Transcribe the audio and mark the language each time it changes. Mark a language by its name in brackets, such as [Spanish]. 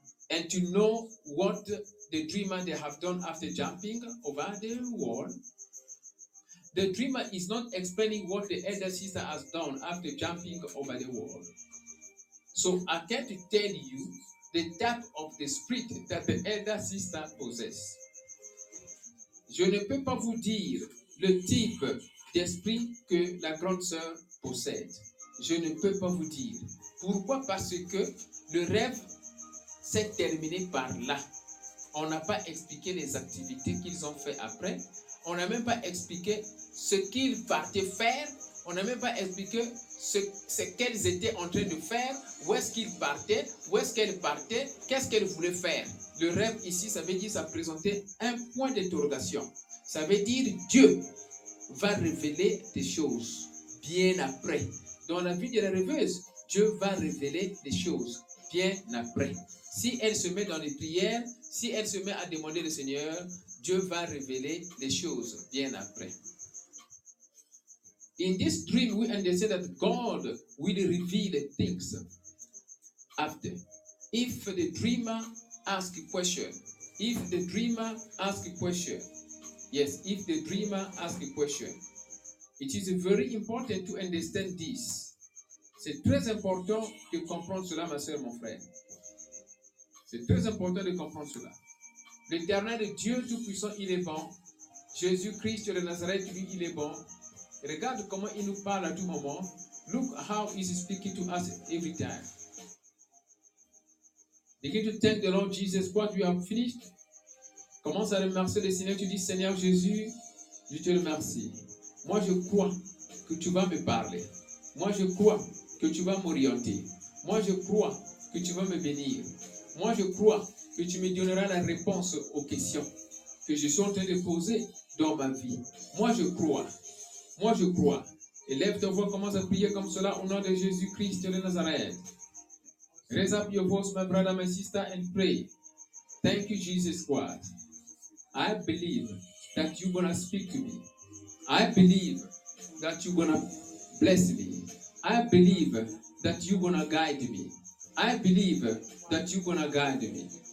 [English] And to know what the dreamer they have done after jumping over the wall, the dreamer is not explaining what the elder sister has done after jumping over the wall. So I can't tell you the type of the spirit that the elder sister possesses. [French] Je ne peux pas vous dire le type d'esprit que la grande sœur possède. Je ne peux pas vous dire. Pourquoi? Parce que le rêve s'est terminé par là. On n'a pas expliqué les activités qu'ils ont fait après. On n'a même pas expliqué ce qu'ils partaient faire. On n'a même pas expliqué ce qu'elles étaient en train de faire, où est-ce qu'ils partaient, où est-ce qu'elles partaient, qu'est-ce qu'elles voulaient faire. Le rêve ici, ça veut dire, ça présentait un point d'interrogation. Ça veut dire, Dieu va révéler des choses bien après. Dans la vie de la rêveuse, Dieu va révéler des choses bien après. Si elle se met dans les prières, si elle se met à demander le Seigneur, Dieu va révéler des choses bien après. [English] In this dream, we understand that God will reveal things after. If the dreamer asks a question, Yes, if the dreamer asks a question, it is very important to understand this. [French] C'est très important de comprendre cela, ma soeur, mon frère. C'est très important de comprendre cela. L'Éternel, le Dieu Tout-Puissant, il est bon. Jésus-Christ, le Nazareth, lui, il est bon. Regarde comment il nous parle à tout moment. [English] Look how he's speaking to us every time. Begin to thank the Lord Jesus, what you have finished. [French] Commence à remercier le Seigneur. Tu dis, Seigneur Jésus, je te remercie. Moi, je crois que tu vas me parler. Moi, je crois que tu vas m'orienter. Moi, je crois que tu vas me bénir. Moi, je crois que tu me donneras la réponse aux questions que je suis en train de poser dans ma vie. Moi, je crois. Moi, je crois. Élève ta voix, commence à prier comme cela au nom de Jésus-Christ de Nazareth. [English] Raise up your voice, my brother, my sister, and pray. Thank you, Jesus Christ. I believe that you're going to speak to me. I believe that you're going to bless me. I believe that you're going to guide me. I believe that you're going to guide me.